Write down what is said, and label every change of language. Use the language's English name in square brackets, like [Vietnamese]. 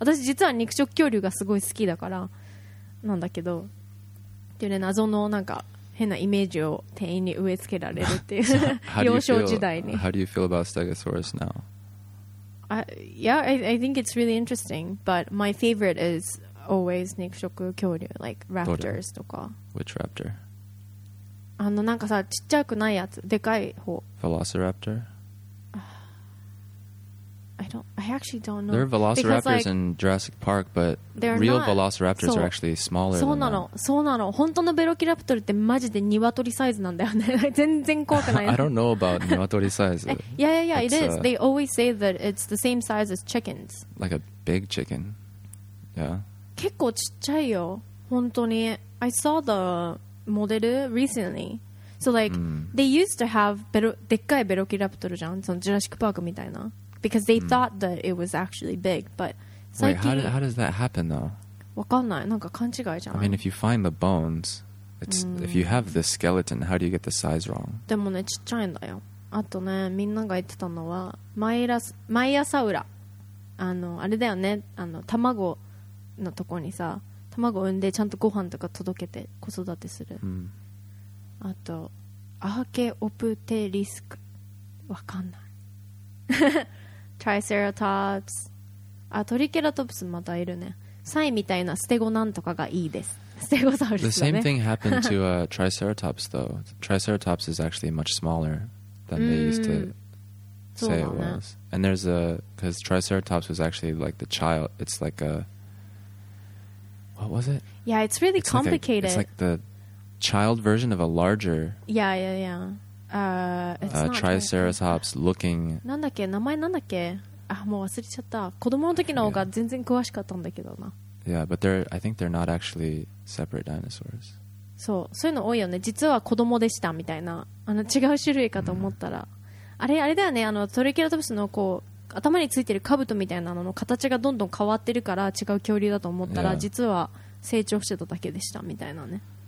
[Japanese] 私実は肉食恐竜がすごい好きだからなんだけどっていうね、謎のなんか変なイメージを店員に植え付けられるっていう幼少時代に。 [English] How do you feel about Stegosaurus now? Yeah, I think it's really interesting, but my favorite is always 肉食恐竜 like raptors とか。 Which raptor? [Japanese] あのなんかさ、ちっちゃくないやつ、でかい方。 [English] Velociraptor? I actually don't know. There are velociraptors because, like, in Jurassic Park, but real not, velociraptors are actually smaller than that. [Japanese] そうなの。本当のベロキラプトルってマジでニワトリサイズなんだよね。全然怖くない。 [English] I don't know about ニワトリサイズ。 Yeah, yeah, yeah, it is. They always say that it's the same size as chickens. Like a big chicken. Yeah. [Japanese] 結構ちっちゃいよ。本当に。 [English] I saw the model recently. So, like, they used to have [Japanese] でっかいベロキラプトルじゃん。そのジュラシックパークみたいな。 [English] Because they thought that it was actually big, but wait, how does that happen though? [Japanese] わかんない。なんか勘違いじゃん。 [English] I mean, if you find the bones, It's, if you have this skeleton, how do you get the size wrong? [Japanese] でもね、ちっちゃいんだよ。あとね、みんなが言ってたのはマイアサウラ、あのあれだよね、あの卵のとこにさ、卵産んでちゃんとご飯とか届けて子育てする。 Mm. あとアーケオプテリスク、わかんない。 Triceratops、あトリケラトプスまたいるね。サイみたいなステゴなんとかがいいです。 [English] The same thing happened to a Triceratops though. Triceratops is actually much smaller than they used to say it was. And there's a, because Triceratops was actually like the child, it's like a, what was it? Yeah, it's really complicated. It's like the child version of a larger. Yeah, yeah, yeah. Triceratops looking. [Japanese] なんだっけ、名前なんだっけ、あ、もう忘れちゃった。子供の時の方が全然詳しかったんだけどな。 [English] Yeah, but they're, I think they're not actually separate dinosaurs. [Japanese] そう、そういうの多いよね。実は子供でしたみたいな、あの違う種類かと思ったら、mm. あれだよね、あのトリケラトプスのこう頭についてる兜みたいなのの形がどんどん変わってるから違う恐竜だと思ったら、yeah. 実は成長してただけでしたみたいなね。